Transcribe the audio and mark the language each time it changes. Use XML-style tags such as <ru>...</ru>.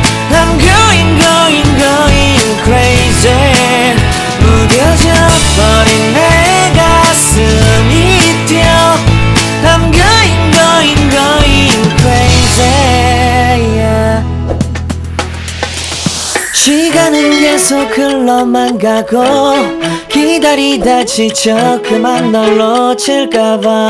<en>I'm going going going crazy.</en> <ko>무뎌져버린 내 가슴이 뛰어.</ko> <en>I'm going going going crazy.</en> <ko>시간은 계속 흘러만 가고 기다리다 지쳐 그만 널 놓칠까봐.</ko>